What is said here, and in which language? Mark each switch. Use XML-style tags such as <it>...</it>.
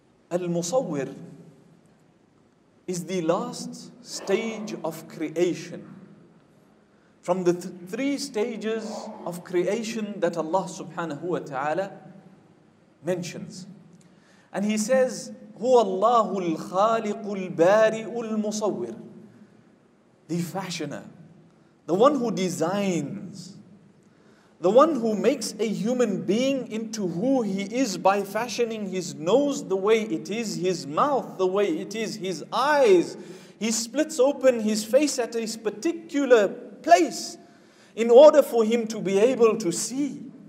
<en>Al-Musawwir is the last stage of creation from the three stages of creation that Allah subhanahu wa ta'ala mentions. And he says,</en> <ar>هو الله الخالق البارئ المصور.</ar> <en>The fashioner, the one who designs, the one who makes a human being into who he is by fashioning his nose the way it is, his mouth the way it is, his eyes. He splits open his face at a particular place in order for him to be able to see.</en>